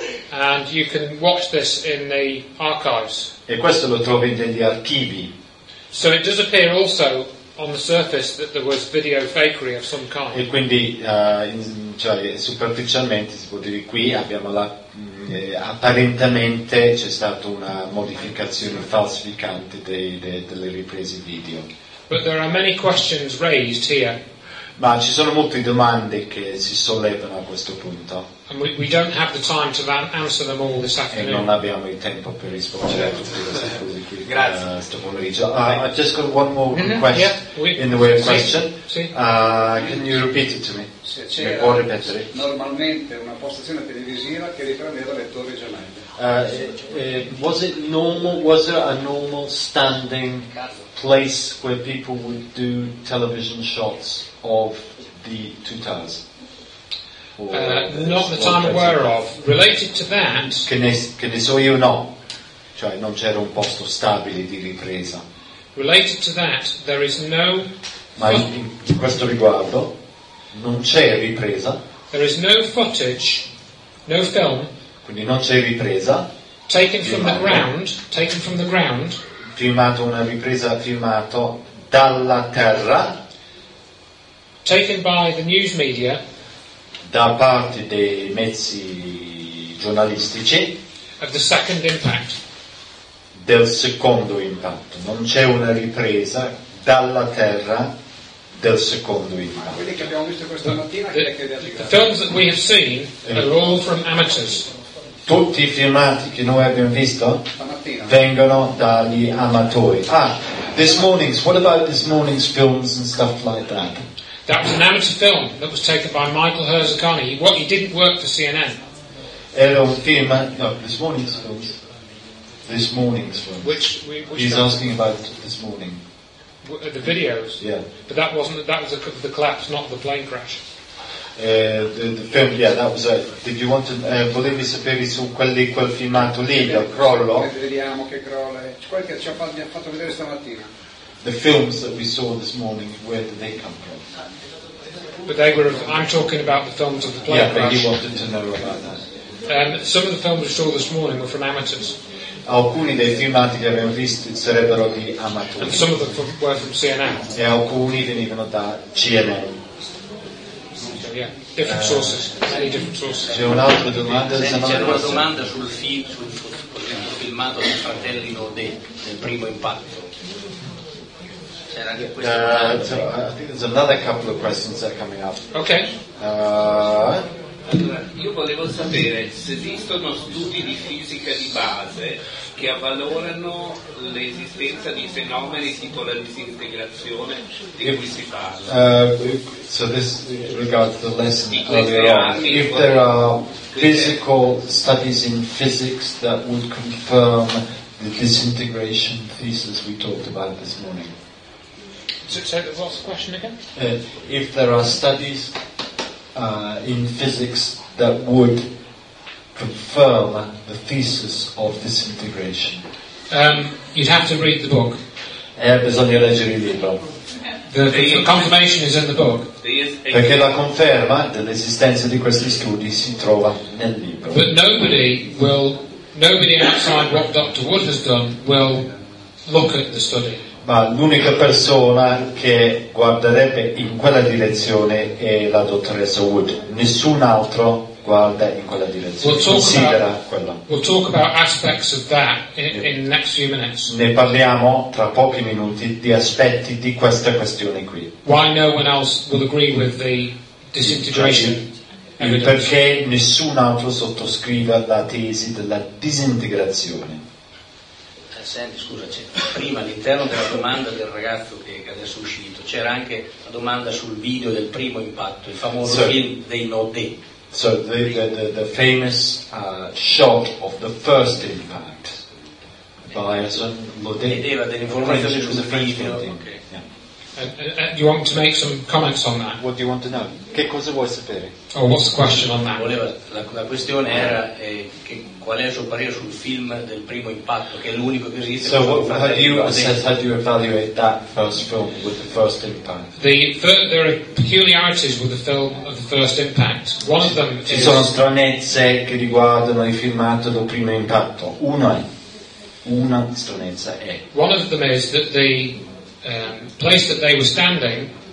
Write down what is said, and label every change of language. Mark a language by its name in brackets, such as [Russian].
[English] And you can watch this in the archives. [Italian] E questo lo trovi negli archivi. [English] So it does appear also on the surface that there was video fakery of some kind. [Italian] E quindi superficialmente si può dire qui abbiamo la apparentemente c'è stata una modificazione falsificante delle riprese video. [English] But there are many questions raised here. [Italian] Ma ci sono molte domande che si sollevano a questo punto. [English] And we don't have the time to answer them all this afternoon. [Italian] E non abbiamo il tempo per rispondere a tutte queste cose qui. Grazie. Sto pomeriggio. [English] I just got one more question in the way of question. Can you repeat it to me? [Italian] Mi può ripetere? Normalmente una postazione televisiva che riprendeva le torri gemelle. [English] Was it normal? Was there a normal standing place where people would do television shots of the two towers? Not that I'm aware of. Related to that, [Italian] Che ne so io, no. Cioè non c'era un posto stabile di ripresa. [English] Related to that, there is no. [Italian] Ma in questo riguardo non c'è ripresa. [English] There is no footage, no film. [Italian] Quindi non c'è ripresa. [English] Taken from the ground. Taken from the ground. [Italian] Filmato, una ripresa filmato dalla terra. [English] Taken by the news media. [Italian] Da parte dei mezzi giornalistici. [English] Of the second impact. [Italian] Del secondo impatto. Non c'è una ripresa dalla terra del secondo impatto. Quelli che abbiamo visto questa mattina, [English] the, [Italian] che [English] the films that we have seen are all from amateurs. [Italian] Tutti i filmati che noi abbiamo visto vengono dagli amatori. [English] Ah, this morning's. What about this morning's films and stuff like that? That was an amateur film that was taken by Michael Herzogani. He didn't work for CNN. [Italian] Era un film. [English] No, this morning's films. This morning's films. Which he's film? Asking about this morning. The videos. Yeah. But that wasn't. That was the collapse, not the plane crash. The film, yeah, that was it. Did you want to [Italian] volevi sapere su quel filmato lì, del crollo? Vediamo che crolla. Quel che mi ha fatto vedere stamattina. [English] The films that we saw this morning, where did they come from? But they were. I'm talking about the films of the plane crash. Yeah, but you wanted to know about that. Some of the films we saw this morning were from amateurs. [Italian] Alcuni dei filmati che abbiamo visto sarebbero di amatori. [English] And some of them were from CNN. [Italian] E alcuni venivano da CNN. [English] Yeah. Different sources. Many different sources. [Italian] C'è un'altra domanda. C'è una domanda sul filmato dei fratelli Nodè del primo impatto. C'era anche questa. [English] So, I think there's another couple of questions that are coming up. Okay. [Italian] Allora, io volevo sapere se esistono studi di fisica di base che avvalorano l'esistenza di fenomeni tipo la disintegrazione di cui si parla. [English] So this regards the lesson earlier on. If there are physical studies in physics that would confirm the disintegration thesis we talked about this morning. So what's the question again? If there are studies in physics that would confirm the thesis of disintegration. You'd have to read the book. [Italian] Bisogna leggere il libro. [English] The confirmation is in the book. [Italian] Perché la conferma dell'esistenza di questi studi si trova nel libro. [English] But nobody outside what Dr. Wood has done will look at the study. [Italian] Ma l'unica persona che guarderebbe in quella direzione è la dottoressa Wood. Nessun altro guarda in quella direzione, considera quella. [English] We'll talk about aspects of that in the next few minutes. [Italian] Ne parliamo tra pochi minuti di aspetti di questa questione qui. [English] Why no one else will agree with the disintegration? [Italian] Perché nessun altro sottoscrive la tesi della disintegrazione. Senti, scusa, prima all'interno della domanda del ragazzo che adesso è uscito c'era anche la domanda sul video del primo impatto, il famoso film dei Nodè. [English] So the famous shot of the first impact by Nodè. [Italian] Vedeva delle informazioni sul video. Okay. Yeah. [English] You want to make some comments on that? What do you want to know? [Italian] Che cosa vuoi sapere? [English] Oh, what's the question on that? [Italian] La questione era qual è il suo parere sul film del primo impatto, che è l'unico che esiste. [English] So, how do you evaluate that first film with the first impact? There are peculiarities with the film of the first impact. One of them [Italian] ci sono stranezze che riguardano il filmato del primo impatto. Una stranezza è. [English] One of them is that the place that they were standing,